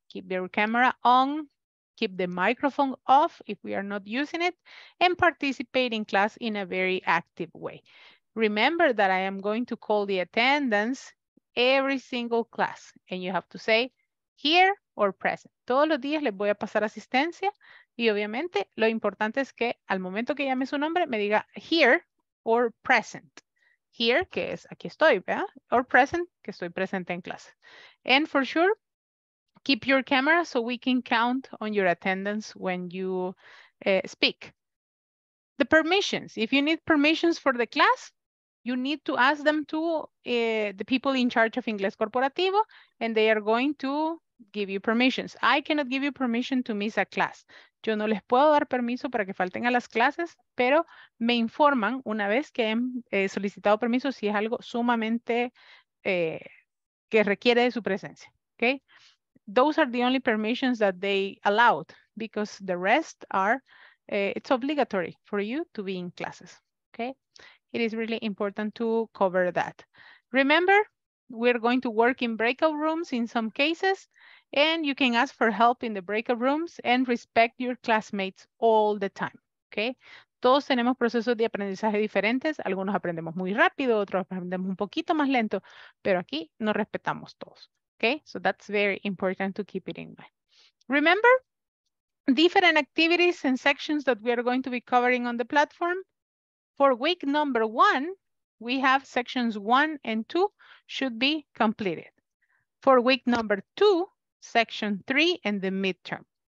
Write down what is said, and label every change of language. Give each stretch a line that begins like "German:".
English: Keep your camera on. Keep the microphone off if we are not using it. And participate in class in a very active way. Remember that I am going to call the attendance every single class and you have to say here or present.
Spanish: Todos los días les voy a pasar asistencia y obviamente lo importante es que al momento que llame su nombre me diga
English: here or present.
Spanish: Here, que es aquí estoy, ¿verdad?
English: Or present,
Spanish: que estoy presente en clase.
English: And for sure, keep your camera so we can count on your attendance when you speak. The permissions, if you need permissions for the class, you need to ask them to the people in charge of Inglés Corporativo and they are going to give you permissions. I cannot give you permission to miss a class.
Spanish: Yo no les puedo dar permiso para que falten a las clases, pero me informan una vez que han solicitado permiso si es algo sumamente que requiere de su presencia.
English: Okay? Those are the only permissions that they allowed because the rest are it's obligatory for you to be in classes, okay? It is really important to cover that. Remember, we're going to work in breakout rooms in some cases, and you can ask for help in the breakout rooms and respect your classmates all the time, okay?
Spanish: Todos tenemos procesos de aprendizaje diferentes. Algunos aprendemos muy rápido, otros aprendemos un poquito más lento, pero aquí nos respetamos todos, okay?
English: So that's very important to keep it in mind. Remember, different activities and sections that we are going to be covering on the platform. For week number 1, we have sections 1 and 2 should be completed. For week number 2, section 3 and the midterm.